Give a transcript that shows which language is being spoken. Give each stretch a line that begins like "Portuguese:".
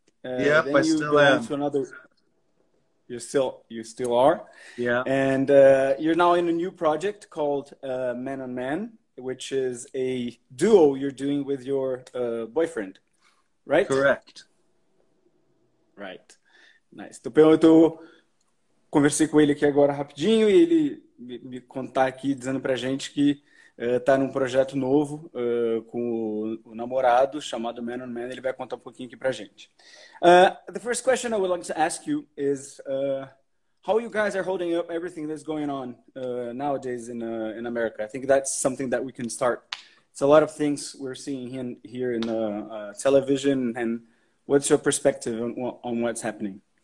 English: Yep, then I you still am. To another... You still are. Yeah. And you're now in a new project called Man on Man, which is a duo you're doing with your boyfriend, right? Correct. Right. Nice.
Portuguese: Então, eu conversei com ele aqui agora rapidinho e ele me contar aqui, dizendo pra gente que tá num projeto novo com o namorado chamado Man on Man. Ele vai contar um pouquinho aqui pra gente.
English: The first question I would like to ask you is how you guys are holding up everything that's going on nowadays in America. I think that's something that we can start. It's a lot of things we're seeing here in the television. And what's your perspective on what's happening?